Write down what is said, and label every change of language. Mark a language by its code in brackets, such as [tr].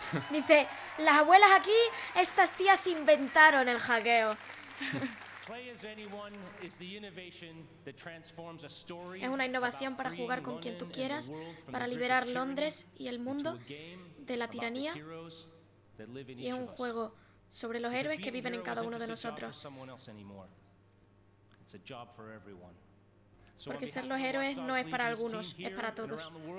[es] Dice, las abuelas aquí, estas tías inventaron el hackeo. [en] Play as anyone is the innovation that transforms a story. [es] Es una innovación para jugar con quien tú quieras, para liberar Londres y el mundo de la tiranía. Y es un juego sobre los héroes que viven en cada uno de nosotros. Porque ser los héroes no es para algunos, es para todos.